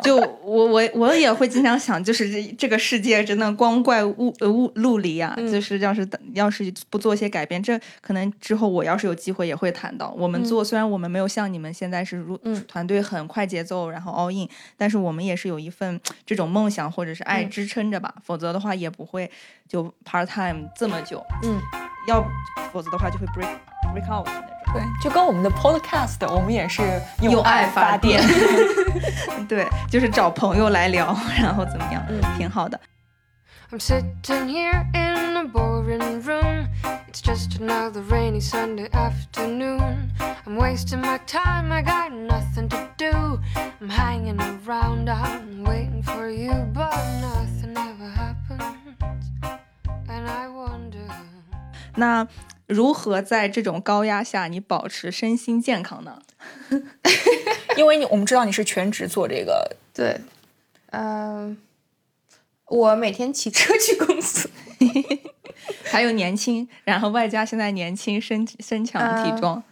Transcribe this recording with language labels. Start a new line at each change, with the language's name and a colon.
Chinese: 就我也会经常想就是这个世界真的光怪陆离啊就是要是不做些改变，这可能之后我要是有机会也会谈到我们做，虽然我们没有像你们现在是团队很快节奏然后
English: all in，
Chinese: 但是我们也是有一份这种梦想或者是爱支撑着吧否则的话也不会就
English: part time
Chinese: 这么久要否则的话就会
English: break out。
Chinese: 对，就跟我们的 podcast 我们也是用爱发电对，就是找朋友来聊然后怎么样挺好的。
English: I'm sitting here in a boring room It's just another rainy Sunday afternoon I'm wasting my time, I got nothing to do I'm hanging around, I'm waiting for you But nothing ever happens And I wonder
Chinese: 那如何在这种高压下你保持身心健康呢？因为我们知道你是全职做这个。对，我每天骑车去公司还有年轻，然后外加现在年轻 身强体壮